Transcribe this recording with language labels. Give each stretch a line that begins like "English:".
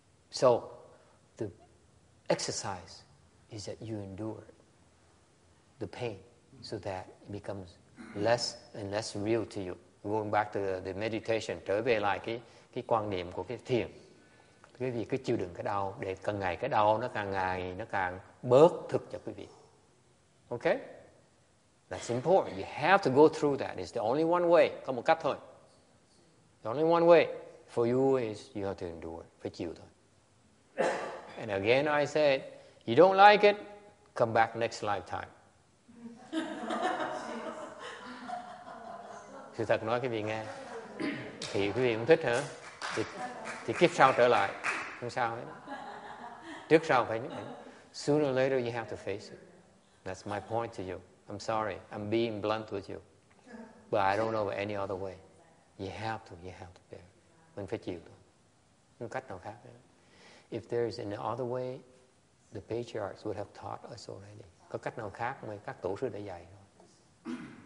English: So the exercise is that you endure the pain so that it becomes less and less real to you. Going back to the meditation,
Vietnamese: trở về lại cái quan niệm của cái thiền. Quý vị cứ chịu đựng cái đau để càng ngày cái đau nó càng ngày nó càng bớt thực cho quý vị.
English: Okay? That's important. You have to go through that. It's the only one way.
Vietnamese: Có một cách thôi.
English: The only one way for you is you have to endure.
Vietnamese: Phải chịu thôi.
English: And again I said, you don't like it, come back next lifetime.
Vietnamese: Sự thật nói quý vị nghe. Thì quý vị không thích hả? Thì kiếp sau trở lại. Không sao hết. Trước sau phải.
English: Sooner or later you have to face it. That's my point to you. I'm sorry. I'm being blunt with you. But I don't know any other way. You have to bear.
Vietnamese: Mình phải chịu thôi. Không cách nào khác.
English: If there is another way, the patriarchs would have taught us already.
Vietnamese: Có cách nào khác mà các tổ sư đã dạy rồi.